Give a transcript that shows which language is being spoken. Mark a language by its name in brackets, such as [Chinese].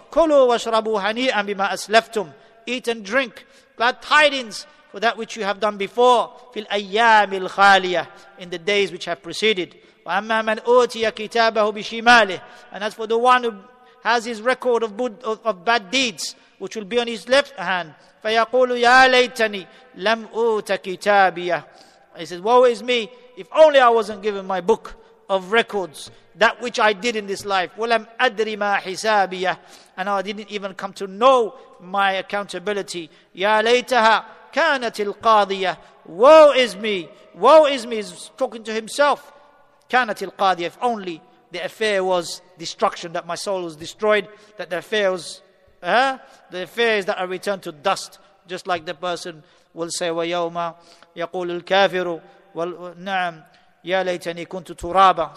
[Arabic] كُلُوا وَشْرَبُوا هَنِيئًا بِمَا أَسْلَفْتُمْ. [English] Eat and drink. Glad tidings for that which you have done before. [Arabic] فِي الْأَيَّامِ الْخَالِيَةِ. [English] In the days which have preceded. [Arabic] وَأَمَّا مَنْ أُوْتِيَ كِتَابَهُ بِشِمَالِهِ. [English] And as for the one who has his record of bad deeds, which will be on his left hand. [Arabic] فَيَقُولُ يَا لَيْتَنِي لَمْ أُوْتَ كِتَابِيَهِ. [English] He says, woe is me. If only I wasn't given my book of records, that which I did in this life. [Arabic] وَلَمْ أَدْرِ مَا حِسَابِيَهِ. [English] And I didn't even come to know my accountability. [Arabic] يَا لَيْتَهَا كَانَتِ الْقَاضِيَةِ. [English] Woe is me. He's talking to himself. [Arabic] كَانَتِ الْقَاضِيَةِ. [English] If only the affair was destruction, that my soul was destroyed, that the affair was, the affair is that I returned to dust. Just like the person will say, [Arabic] وَيَوْمَ يَقُولُ الْكَافِرُ. Well, نعم يا ليتني كنت ترابا.